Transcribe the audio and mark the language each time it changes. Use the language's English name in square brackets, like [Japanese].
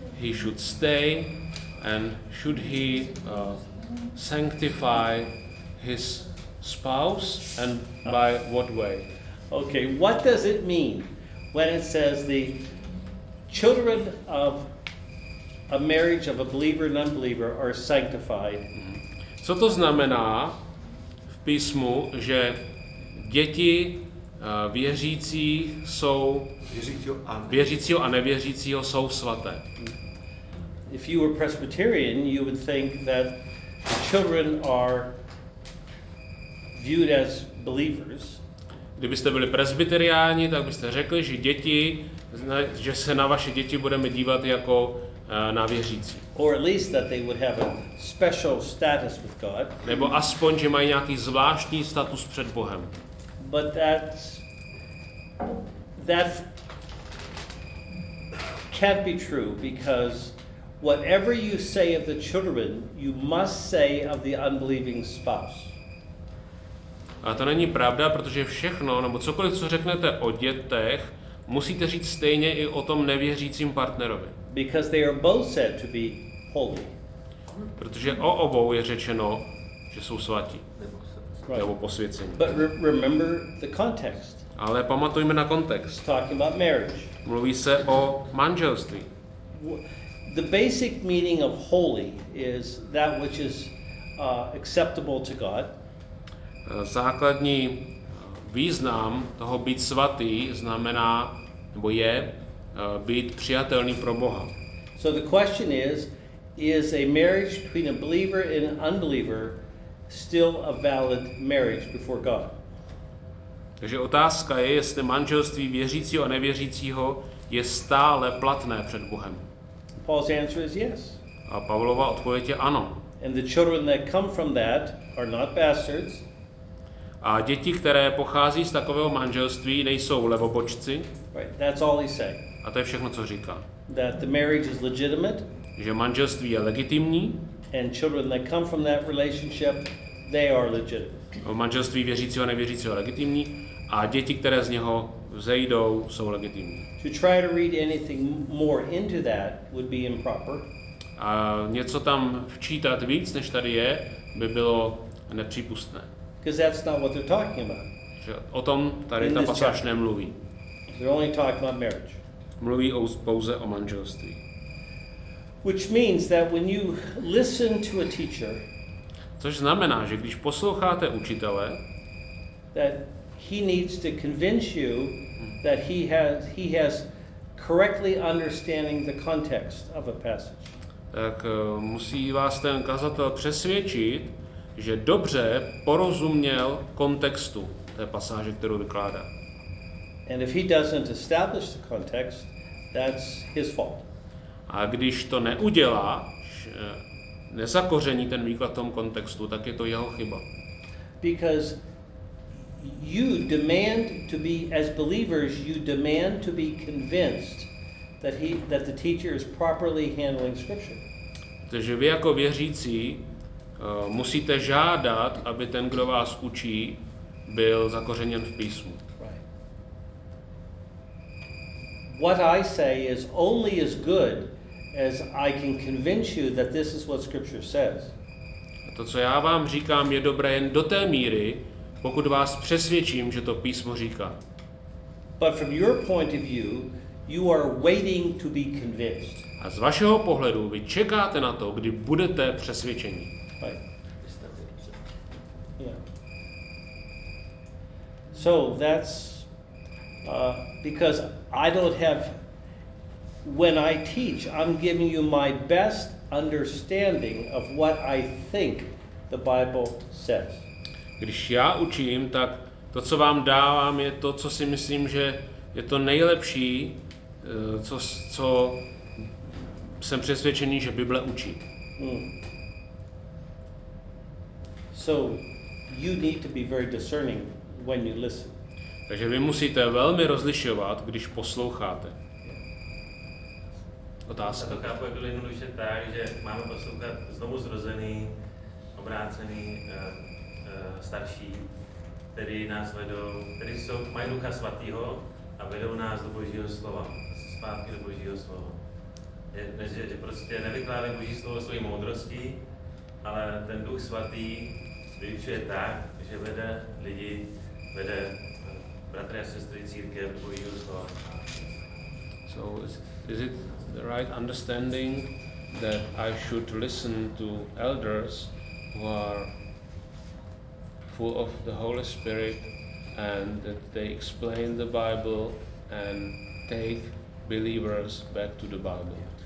[English] he should stay, and should he sanctify his spouse, and by what way? Okay, what does it mean when it says the children of a marriage of a believer and unbeliever are sanctified. [Czech] Co to znamená v písmu, že děti věřících jsou věřícího a nevěřícího jsou svaté? [English] If you were Presbyterian, you would think that the children are viewed as believers. [Czech] Kdybyste byli presbyteriáni, tak byste řekli, že děti, že se na vaše děti budeme dívat jako na věřící. [English] Or at least that they would have a special status with God. [Czech] Nebo aspoň, že mají nějaký zvláštní status před Bohem. [English] But that can't be true, because whatever you say of the children, you must say of the unbelieving spouse. [Czech] A to není pravda, protože všechno, nebo cokoliv, co řeknete o dětech, musíte říct stejně i o tom nevěřícím partnerovi. [English] Because they are both said to be holy. [Czech] Protože o obou je řečeno, že jsou svatí. Nebo posvěcení. [English] But remember the context. [Czech] Ale pamatujme na kontext. [English] Talking about marriage. [Czech] Mluví se o manželství. [English] The basic meaning of holy is that which is acceptable to God. [Czech] Základní význam toho být svatý znamená, nebo je, být přijatelný pro Boha. [English] So the question is a marriage between a believer and an unbeliever still a valid marriage before God? [Czech] Takže otázka je, jestli manželství věřícího a nevěřícího je stále platné před Bohem. [English] Paul's answer is yes. [Czech] A Pavlova odpověď je ano. [English] And the children that come from that are not bastards. [Czech] A děti, které pochází z takového manželství, nejsou levobočci. [English] Right, that's all he's saying. [Czech] A to je všechno, co říká. [English] That the marriage is legitimate. [Czech] Že manželství je legitimní. [English] And children that come from that relationship, they are legitimate. [Czech] Manželství věřícího a nevěřícího je legitimní. A děti, které z něho vzejdou, jsou legitimní. [English] To try to read anything more into that would be improper. [Czech] A něco tam včítat víc, než tady je, by bylo nepřípustné. [English] Because that's not what they're talking about. [Czech] Že o tom tady ta pasáž nemluví. [English] They're only talking about marriage. [Czech] Mluví pouze o manželství. [English] Which means that when you listen to a teacher, [Czech] což znamená, že když posloucháte učitele, [English] that he needs to convince you that he has correctly understanding the context of a passage. [Czech] Tak musí vás ten kazatel přesvědčit, že dobře porozuměl kontextu té pasáže, kterou vykládá. [English] And if he doesn't establish the context, that's his fault. [Czech] A když to neudělá, nezakoření ten výklad v tom kontextu, tak je to jeho chyba. [English] Because you demand to be, as believers, you demand to be convinced that the teacher is properly handling scripture. [Czech] Takže vy jako věřící musíte žádat, aby ten, kdo vás učí, byl zakořeněn v písmu. [English] What I say is only as good as I can convince you that this is what scripture says. [Czech] A to, co já vám říkám, je dobré jen do té míry, pokud vás přesvědčím, že to písmo říká. [English] But from your point of view, you are waiting to be convinced. [Czech] A z vašeho pohledu vy čekáte na to, kdy budete přesvědčení. [English] So that's because I don't have, when I teach, I'm giving you my best understanding of what I think the Bible says. [Czech] Když já učím, tak to, co vám dávám, je to, co si myslím, že je to nejlepší, co jsem přesvědčený, že Bible učí. [English] So you need to be very discerning when you listen. [Czech] Takže vy musíte velmi rozlišovat, když posloucháte. Otázka. To chápu jako jednoduše tak, že máme poslouchat znovu zrozený, obrácený, starší, který nás vedou, který jsou, mají Ducha Svatýho a vedou nás do Božího slova, zpátky do Božího slova. Že prostě nevykládají Boží slovo svojí moudrostí, ale ten Duch Svatý vyučuje tak, že vede lidi, vede bratry a sestry církev do Božího slova. [English] So is it the right understanding that I should listen to elders who are full of the Holy Spirit and that they explain the Bible and take believers back to the Bible?